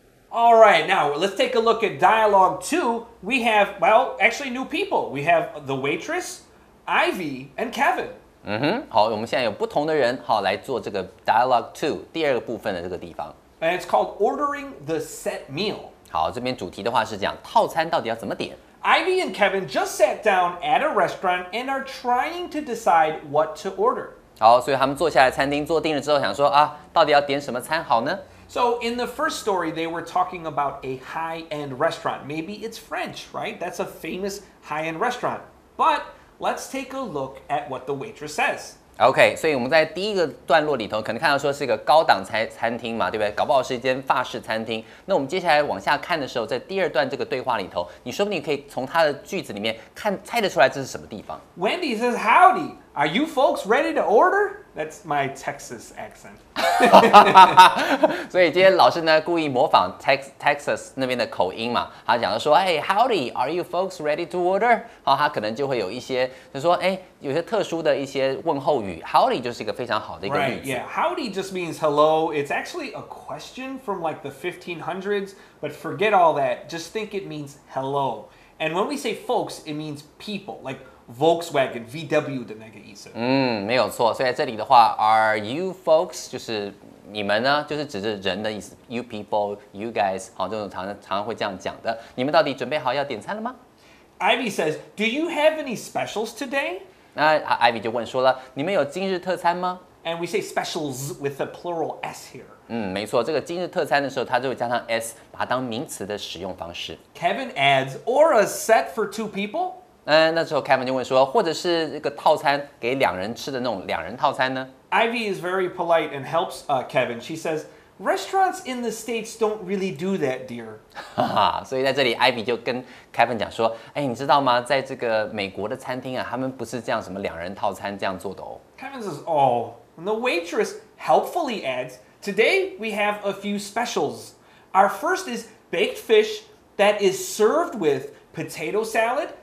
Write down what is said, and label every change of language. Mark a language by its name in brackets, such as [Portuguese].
[English] All right, now let's take a look at dialogue two. We have, well, actually new people. We have the waitress, Ivy, and Kevin. [Chinese] 嗯哼，好，我们现在有不同的人，好，来做这个 dialogue two 第二个部分的这个地方。 [English] And it's called ordering the set meal. [Chinese] 好，这边主题的话是讲套餐到底要怎么点。 [English] Ivy and Kevin just sat down at a restaurant and are trying to decide what to order. [Chinese] 好，所以他们坐下来餐厅坐定了之后，想说啊，到底要点什么餐好呢？ [English] So in the first story, they were talking about a high-end restaurant. Maybe it's French, right? That's a famous high-end restaurant. But let's take a look at what the waitress says. [Chinese] Okay, 所以我们在第一个段落里头可能看到说是一个高档餐厅嘛，对不对？搞不好是一间法式餐厅。那我们接下来往下看的时候，在第二段这个对话里头，你说不定可以从他的句子里面看猜得出来这是什么地方。 [English] Wendy says, howdy, are you folks ready to order? That's my Texas accent. [Chinese] 所以今天老师呢故意模仿 Texas 那边的口音嘛，他讲说，哎 ， [English] Howdy, are you folks ready to order? [Chinese] 好，他可能就会有一些，就说，哎，有些特殊的一些问候语。 Howdy 就是一个非常好的一个语词。 [English] Right, yeah, Howdy just means hello. It's actually a question from like the 1500s, but forget all that. Just think it means hello. And when we say folks, it means people, like. [Chinese] Volkswagen, VW 的那个意思。嗯，没有错。所以在这里的话 ， [English] Are you folks [Chinese] 就是你们呢，就是指着人的意思。 [English] You people, you guys， [Chinese] 好，这种常常会这样讲的。你们到底准备好要点餐了吗 [English] ？Ivy says, "Do you have any specials today?" [Chinese] 那 Ivy 就问说了，你们有今日特餐吗 [English] ？And we say specials with a plural s here。 [Chinese] 嗯，没错，这个今日特餐的时候，它就会加上 s， 把它当名词的使用方式。 [English] Kevin adds, "Or a set for two people?" [Chinese] 那时候 Kevin 就问说，或者是一个套餐给两人吃的那种两人套餐呢 [English] ？Ivy is very polite and helps Kevin. She says restaurants in the States don't really do that, dear. [Chinese] 哈哈，所以在这里 Ivy 就跟 Kevin 讲说，哎，你知道吗？在这个美国的餐厅啊，他们不是这样什么两人套餐这样做的哦。 [English] Kevin says, "Oh." And the waitress helpfully adds, "Today we have a few specials. Our first is baked fish that is served with potato salad."